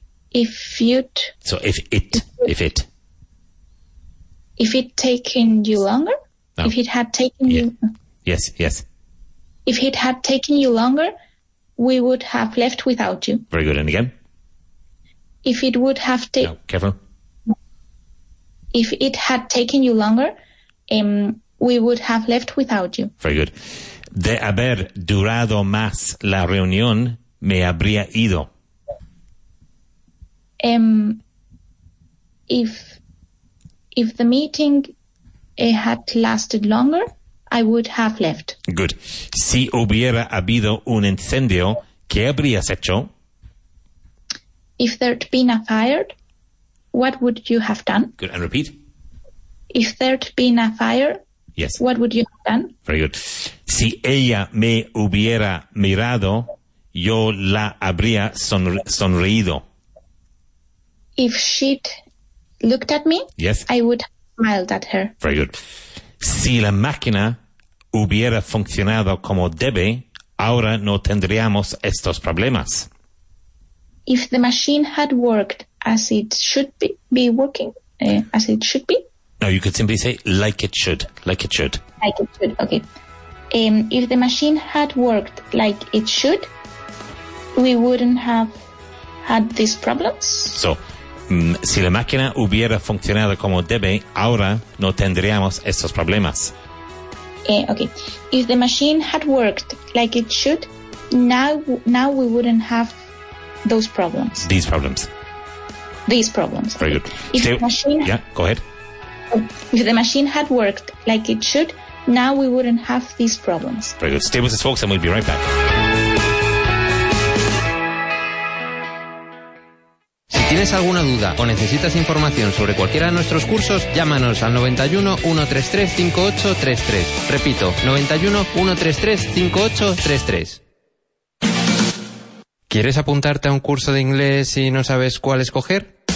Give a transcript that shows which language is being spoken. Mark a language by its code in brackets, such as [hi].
[en] If it had taken you longer, we would have left without you. Very good. And again? If it would have taken... No, careful. If it had taken you longer, we would have left without you. Very good. [es] De haber durado más la reunión, me habría ido. [en] If the meeting had lasted longer, I would have left. Good. [es] Si hubiera habido un incendio, ¿qué habrías hecho? [en] If there'd been a fire, what would you have done? Good. And repeat. if there'd been a fire, yes, what would you have done? Very good. [es] Si ella me hubiera mirado, yo la habría sonreído. [en] If she'd looked at me, yes, I would have smiled at her. Very good. [es] Si la máquina hubiera funcionado como debe, ahora no tendríamos estos problemas. [en] If the machine had worked as it should be working, as it should be? No, you could simply say, like it should, like it should. Like it should, okay. If the machine had worked like it should, we wouldn't have had these problems. [es] So, si la máquina hubiera funcionado como debe, ahora no tendríamos estos problemas. [en] Okay. If the machine had worked like it should, now we wouldn't have those problems. These problems. These problems. Very good. Go ahead. If the machine had worked like it should, now we wouldn't have these problems. Very good. Stay with us, folks, and we'll be right back. [es] Si tienes alguna duda o necesitas información sobre cualquiera de nuestros cursos, llámanos al 91-133-5833. Repito, 91-133-5833. ¿Quieres apuntarte a un curso de inglés y no sabes cuál escoger?